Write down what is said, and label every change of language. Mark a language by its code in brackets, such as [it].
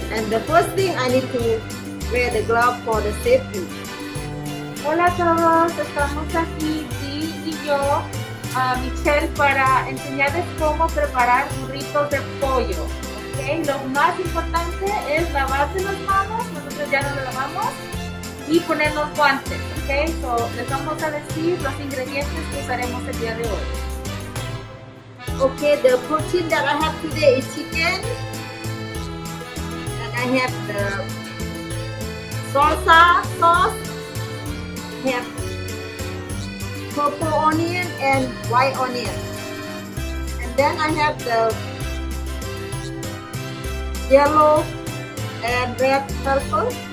[en] And the first thing I need to wear the glove for the safety. [es] Hola todos. Estamos aquí, Dee y yo, Michelle, para enseñarles cómo preparar burritos de pollo. Okay. Lo más importante es lavarse las manos. Nosotros ya nos lavamos. Y ponernos guantes, ok? So, les vamos a decir los ingredientes que usaremos el día de hoy. [en] Ok, the protein that I have today is chicken. And I have the salsa sauce. I have purple onion and white onion. And then I have the yellow and red pepper.